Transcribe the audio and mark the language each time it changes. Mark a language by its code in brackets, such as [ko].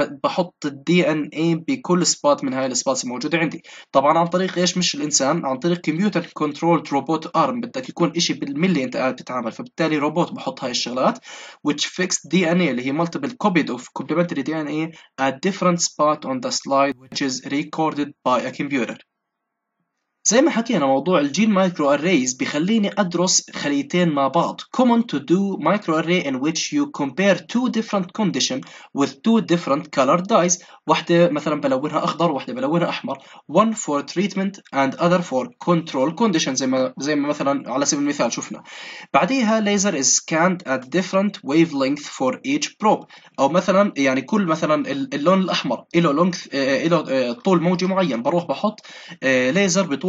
[ar] بحط الدي ان اي بكل سبوت من هاي السبوتس الموجوده عندي طبعا عن طريق ايش مش الانسان عن طريق كمبيوتر كنترول روبوت ارم بدك يكون شيء بالملي انت قاعد بتتعامل فبالتالي روبوت بحط هاي الشغلات [en] which fixed DNA اللي هي multiple copied of complementary DNA at different spot on the slide which is recorded by a computer. [ar] زي ما حكينا موضوع الجين مايكرو أريز بيخليني أدرس خليتين مع بعض. [en] Common to do micro array in which you compare two different condition with two different color dyes. [ar] واحدة مثلا بلونها أخضر واحدة بلونها أحمر. [en] One for treatment and other for control condition [ar] زي ما مثلا على سبيل المثال شفنا. [en] بعديها laser is scanned at different wavelength for each probe. [ar] أو مثلا يعني كل مثلا اللون الأحمر إله طول موجي معين بروح بحط ليزر بطول